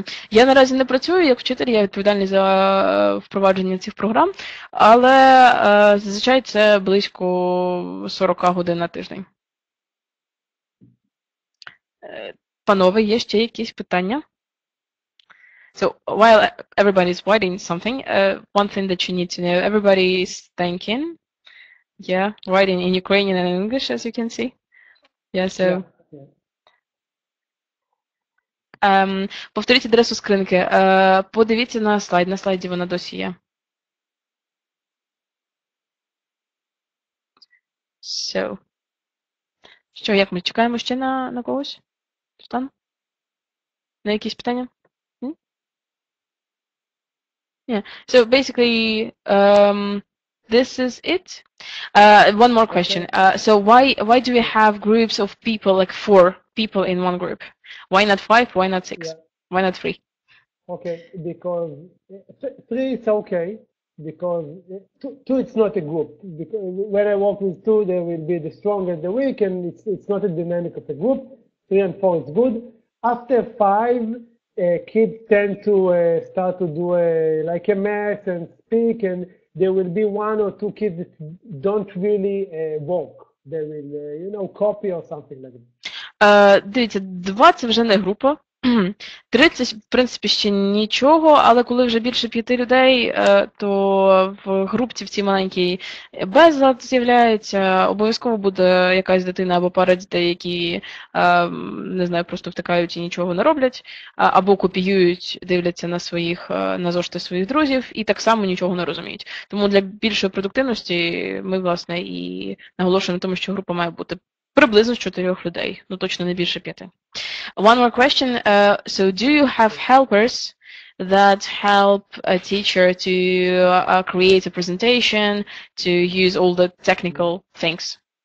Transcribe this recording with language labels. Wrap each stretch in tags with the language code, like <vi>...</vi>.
<uk>Я наразі не працюю як вчитель, я відповідальний за впровадження цих програм, але зазвичай це близько 40 годин на тиждень. Панове, є ще якісь питання?</uk> <en>So while everybody is writing something, one thing that you need to know, everybody is thinking, yeah, writing in Ukrainian and in English, as you can see. Yeah, so. Yeah.</en> <uk>Повторіть адресу скринки. Подивіться на слайд. На слайді вона досі є.</uk> <en>So.</en> <uk>Що, як ми чекаємо ще на когось? Стан? На якісь питання?</uk> <en>Yeah. So basically, this is it. One more question. So why do we have groups of people, like four people in one group? Why not five? Why not six? Yeah. Why not three? Okay, because three is okay, because two it's not a group. Because when I work with two, they will be the stronger the weak, and it's not a dynamic of a group. Three and four is good. After five, kids tend to start to do a mess and speak, and there will be one or two kids that don't really walk. They will, copy or something like that.</en> <uk>Дивіться, 20 вже не група, 30, в принципі, ще нічого, але коли вже більше 5 людей, то в групці в цій маленькій безлад з'являється, обов'язково буде якась дитина або пара дітей, які, не знаю, просто втикають і нічого не роблять, або копіюють, дивляться на своїх, на зошити своїх друзів і так само нічого не розуміють. Тому для більшої продуктивності ми, власне, і наголошуємо на тому, що група має бути приблизно з 4 людей, ну точно не більше 5.</uk> <en>One more question. So do you have helpers that help a teacher to create a presentation, to use all the technical things?</en>